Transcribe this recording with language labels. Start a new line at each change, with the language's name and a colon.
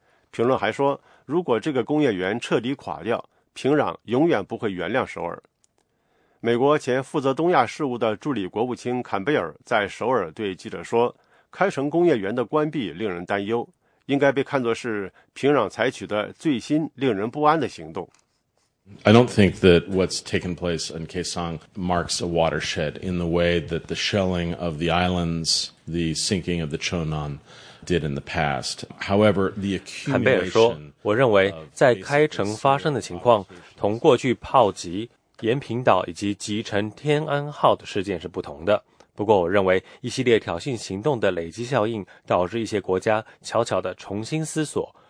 Chinese: 评论还说，如果这个工业园彻底垮掉，平壤永远不会原谅首尔。美国前负责东亚事务的助理国务卿坎贝尔在首尔对记者说，开城工业园的关闭令人担忧，应该被看作是平壤采取的最新令人不安的行动。
English: I don't think that what's taken place in Kaesong marks a watershed in the way that the shelling of the islands, the sinking of the Cheonan did in the past. However, the accumulation
Chinese: 韩贝尔说，我认为在开城发生的情况同过去炮击延平岛以及击沉天安号的事件是不同的。不过，我认为一系列挑衅行动的累积效应导致一些国家悄悄地重新思索。